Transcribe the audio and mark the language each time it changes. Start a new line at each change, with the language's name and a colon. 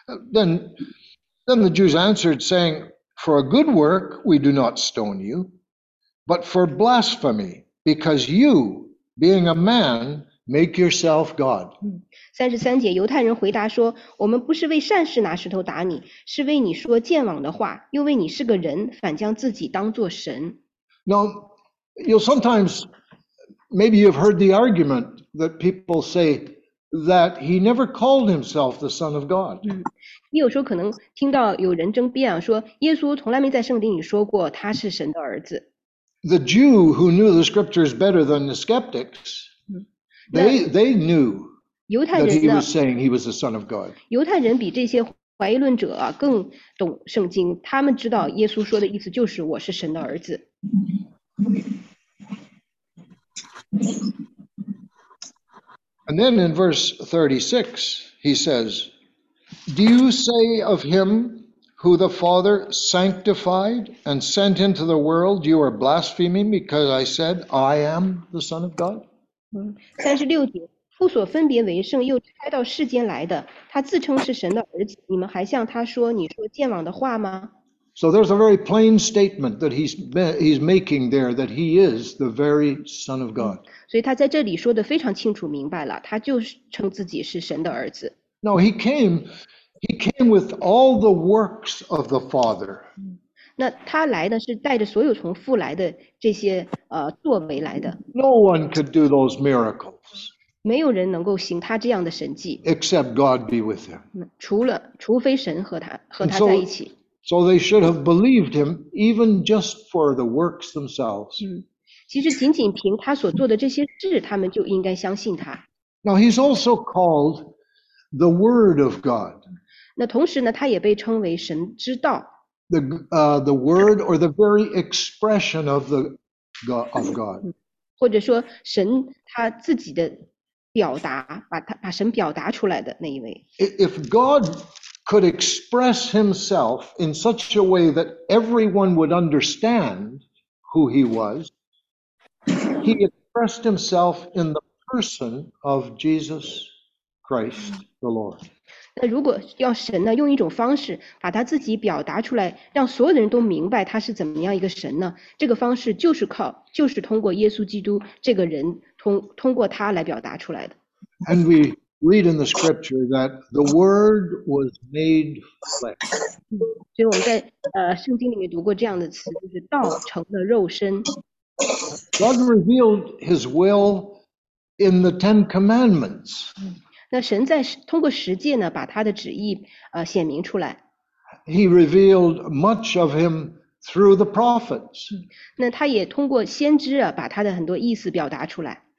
English: Then the Jews answered, saying, For a good work we do not stone you, but for blasphemy, because you, being a man, make yourself God.
Chinese: 33节，犹太人回答说，我们不是为善事拿石头打你，是为你说健忘的话，又为你是个人，反将自己当作神。
English: Now, you'll sometimes, maybe you've heard the argument that people say,that he never called himself the Son of God.
Chinese: 你有时候可能听到有人争辩说耶稣从来没在圣经里说过他是神的儿子。
English: The Jew who knew the scriptures better than the skeptics, they knew that he was saying he was the Son of God.
Chinese: 犹太人比这些怀疑论者更懂圣经，他们知道耶稣说的意思就是我是神的儿子。
English: And then in verse 36, he says, Do you say of him who the Father sanctified and sent into the world, you are blaspheming because I said, I am the Son of God?
Chinese: 36节，父所分别为圣又差到世间来的，他自称是神的儿子，你们还向他说，你说健忘的话吗？
English: So there's a very plain statement that he's making there that he is the very Son of God.
Chinese: 所以他在这里说的非常清楚明白了，他就称自己是神的儿子。
English: No, he came with all the works of the Father.
Chinese: 那他来的是带着所有从父来的这些作为来的。
English: No one could do those miracles.
Chinese: 没有人能够行他这样的神迹。
English: Except God be with him.
Chinese: 除非神和他在一起。
English: So they should have believed him even just for the works themselves.
Chinese: 其实仅仅凭他所做的这些事，他们就应该相信他。
English: Now he's also called the Word of God.
Chinese: 那同时呢，他也被称为神之道。
English: The Word or the very expression of the God of God.
Chinese: 或者说神他自己的表达，把神表达出来的那一位。
English: If God could express himself in such a way that everyone would understand who he was, he expressed himself in the person of Jesus Christ, the Lord.
Chinese: 那如果要神呢，用一种方式把他自己表达出来，让所有的人都明白他是怎么样一个神呢？这个方式就是通过耶稣基督这个人，通过他来表达出来的。
English: And we,read in the scripture that the word was made flesh.
Chinese: 所以我们在圣经里面读过这样的词，就是道成了肉身。
English: God revealed his will in the Ten Commandments.
Chinese: 那神在通过十诫呢，把他的旨意显明出来。
English: He revealed much of him through the prophets.
Chinese: 那他也通过先知把他的很多意思表达出来。